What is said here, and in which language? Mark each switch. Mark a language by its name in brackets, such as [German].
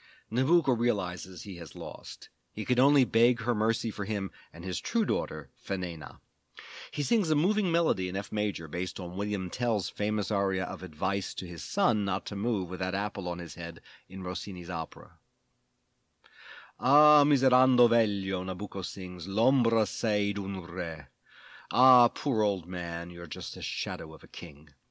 [English] Nabucco realizes he has lost. He could only beg her mercy for him and his true daughter, Fenena. He sings a moving melody in F major based on William Tell's famous aria of advice to his son not to move with that apple on his head in Rossini's opera. [Italian] "Ah, miserando veglio," [English] Nabucco sings, [Italian] "l'ombra sei d'un re. [English] Ah, poor old man, you're just a shadow of a king."